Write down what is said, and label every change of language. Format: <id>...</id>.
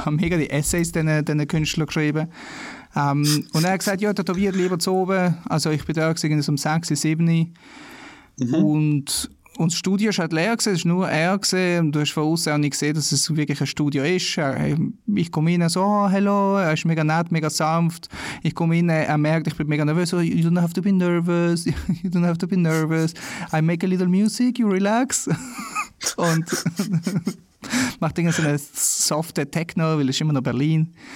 <de>Ich habe mega die Essays den Künstlern geschrieben. Und er hat gesagt, ja, tätowiert lieber zu oben. Also ich bin da um 6, 7. Und Und das Studio war halt leer, es war nur er. Und du hast von außen auch nicht gesehen, dass es wirklich ein Studio ist. Ich komme rein, so, hello, er ist mega nett, mega sanft. Ich komme rein, er merkt, ich bin mega nervös.</de> <en>So, you don't have to be nervous, you don't have to be nervous. I make a little music, you relax.</en> <de>Und macht irgendwie so eine softe Techno, weil es ist immer noch Berlin.</de>